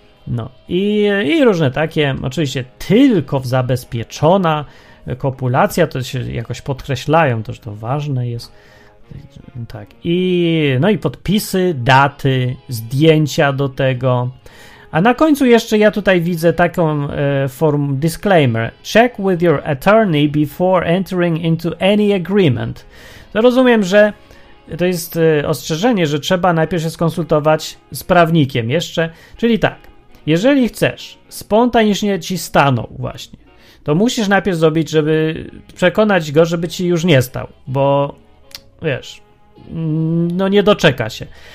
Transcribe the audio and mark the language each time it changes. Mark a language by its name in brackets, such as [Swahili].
[Polish] No i różne takie, oczywiście tylko w zabezpieczona kopulacja, to się jakoś podkreślają, to, że to ważne jest. Tak. I no i podpisy, daty, zdjęcia do tego. A na końcu jeszcze ja tutaj widzę taką form disclaimer. [English] Check with your attorney before entering into any agreement. [Polish] To rozumiem, że to jest ostrzeżenie, że trzeba najpierw się skonsultować z prawnikiem jeszcze. Czyli tak, jeżeli chcesz, spontanicznie ci stanął właśnie, to musisz najpierw zrobić, żeby przekonać go, żeby ci już nie stał, bo wiesz, no nie doczeka się.